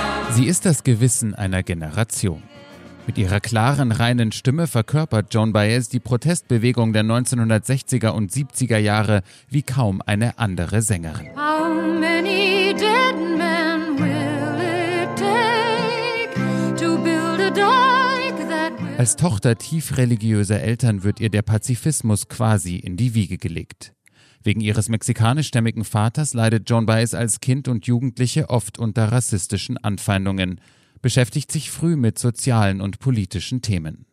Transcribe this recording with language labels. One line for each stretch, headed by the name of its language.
German: Sie ist das Gewissen einer Generation. Mit ihrer klaren, reinen Stimme verkörpert Joan Baez die Protestbewegung der 1960er und 70er Jahre wie kaum eine andere Sängerin.
English: How many dead men will it take to build a dike that will...
German: Als Tochter tiefreligiöser Eltern wird ihr der Pazifismus quasi in die Wiege gelegt. Wegen ihres mexikanischstämmigen Vaters leidet Joan Baez als Kind und Jugendliche oft unter rassistischen Anfeindungen, beschäftigt sich früh mit sozialen und politischen Themen.